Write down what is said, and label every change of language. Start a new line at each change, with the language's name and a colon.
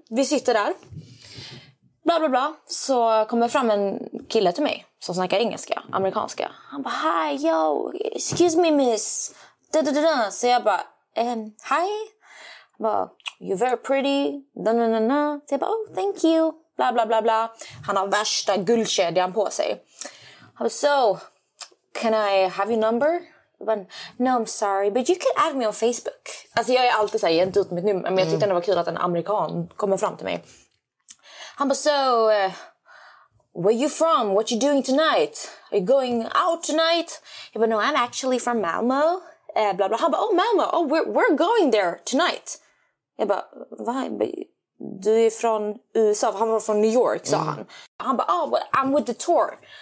Swedish: Vi sitter där. Bla bla bla. Så kommer fram en kille till mig som snackar engelska, amerikanska. Han bara,
English: hi, yo, excuse me miss. Da-da-da-da.
Swedish: Så jag bara,
English: hi.
Swedish: Han bara,
English: you're very pretty.
Swedish: Da-da-da-da. Så jag bara,
English: oh, thank you. Bla bla bla bla.
Swedish: Han har värsta guldkedjan på sig. Han bara,
English: so, can I have your number?
Swedish: Bara,
English: no, I'm sorry, but you can add me on Facebook.
Swedish: Alltså jag är alltid så här, jag är inte ut mitt nummer. Men jag tyckte det var kul att en amerikan kommer fram till mig. Han bara,
English: so, where are you from? What are you doing tonight? Are you going out tonight?
Swedish: Jag bara,
English: no, I'm actually from Malmö. Bla bla.
Swedish: Han bara,
English: oh, Malmö, oh, we're going there tonight.
Swedish: Jag bara, vad? Du är från USA, han var från New York, sa han. Han bara,
English: oh, well, I'm with the tour.